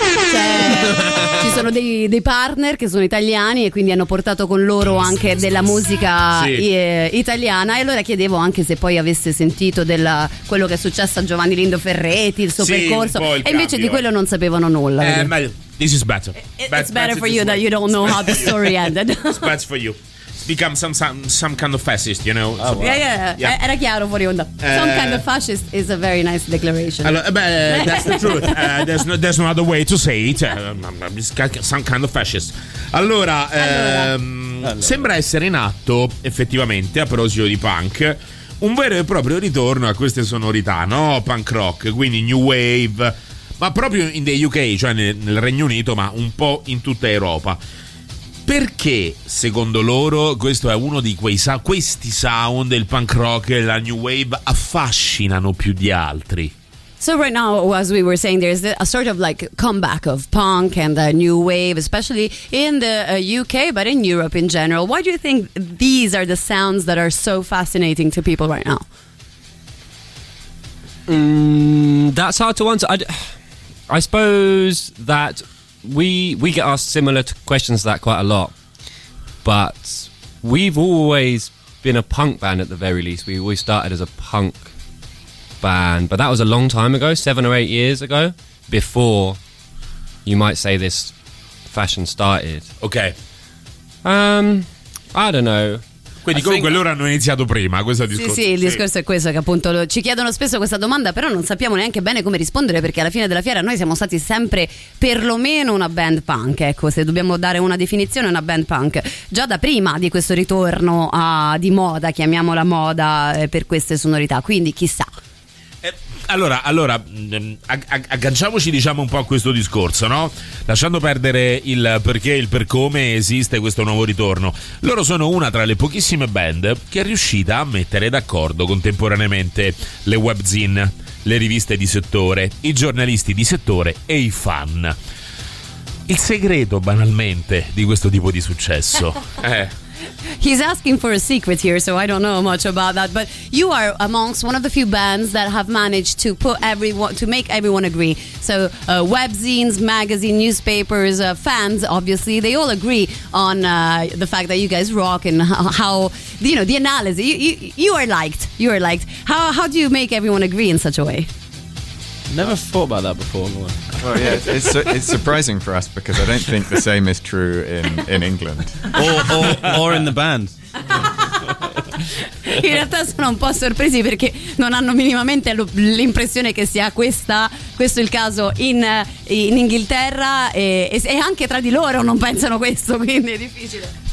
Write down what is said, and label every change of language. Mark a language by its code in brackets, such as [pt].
[it] cioè, ci sono dei partner che sono italiani e quindi hanno portato con loro anche della musica italiana. E allora chiedevo anche se poi avesse sentito quello che è successo a Giovanni Lindo Ferretti, il suo percorso. Un po' il cambio. Invece di quello non sapevano nulla. [en] This is better. It's better for you that you don't know how the story ended. It's better for you. It's become some kind of fascist, you know? Oh, wow. Yeah. Era chiaro fuori onda. Some kind of fascist is a very nice declaration. Allora, that's the truth. There's no other way to say it. Some kind of fascist. [it] Allora. Sembra essere in atto, effettivamente, a proposito di punk, un vero e proprio ritorno a queste sonorità, no? Punk rock, quindi new wave, ma proprio in the UK, cioè nel Regno Unito, ma un po' in tutta Europa. Perché, secondo loro, questo è uno di questi sound, il punk rock e la new wave, affascinano più di altri? [en] So right now, as we were saying, there's a sort of like comeback of punk and the new wave, especially in the UK, but in Europe in general. Why do you think these are the sounds that are so fascinating to people right now? That's hard to answer. I suppose that we get asked similar questions to that quite a lot, but we've always been a punk band at the very least. We always started as a punk band, but that was a long time ago, 7 or 8 years ago, before you might say this fashion started. Okay. I don't know. [it] Quindi comunque loro hanno iniziato prima, questo discorso. Sì, il discorso è questo, che appunto ci chiedono spesso questa domanda, però non sappiamo neanche bene come rispondere, perché alla fine della fiera noi siamo stati sempre perlomeno una band punk, ecco, se dobbiamo dare una definizione, una band punk, già da prima di questo ritorno di moda, chiamiamola moda, per queste sonorità, quindi chissà. Allora, agganciamoci, diciamo, un po' a questo discorso, no? Lasciando perdere il perché e il per come esiste questo nuovo ritorno. Loro sono una tra le pochissime band che è riuscita a mettere d'accordo contemporaneamente le webzine, le riviste di settore, i giornalisti di settore e i fan. Il segreto, banalmente, di questo tipo di successo è... [en] He's asking for a secret here, so I don't know much about that. But you are amongst one of the few bands that have managed to make everyone agree. So webzines, magazine, newspapers, fans, obviously, they all agree on the fact that you guys rock and how, you know, the analysis. You are liked. How do you make everyone agree in such a way? Never thought about that before. Well, yeah, it's surprising for us, because I don't think the same is true in England or in the band. [it] In realtà sono un po' sorpresi, perché non hanno minimamente l'impressione che sia questo il caso in Inghilterra, e anche tra di loro non pensano questo, quindi è difficile.